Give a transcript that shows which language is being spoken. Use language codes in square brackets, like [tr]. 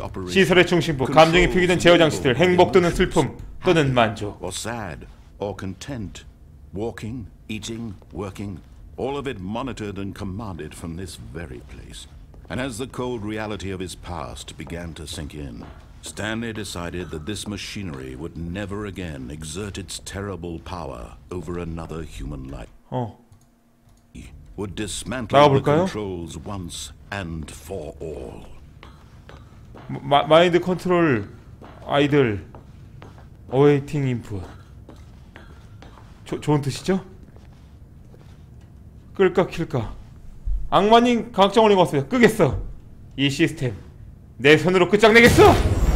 [ko] 시설의 중심부, 감정이 표기된 제어 장치들, 행복 또는 슬픔 또는 만족. [en] Or sad, or content, walking, eating, working, all of it monitored and commanded from this very place. And as the cold reality of his past began to sink in. Stanley decided that this machinery would never again exert its terrible power over another human life. [ko] 어. [en] Would dismantle the controls once and for all. 마인드 컨트롤 아이들 어웨이팅 인풋. [ko] 좋은 뜻이죠? 끌까 킬까. 악마님 강정 올린 것 같습니다. 끄겠어. 이 시스템 내 손으로 끝장내겠어.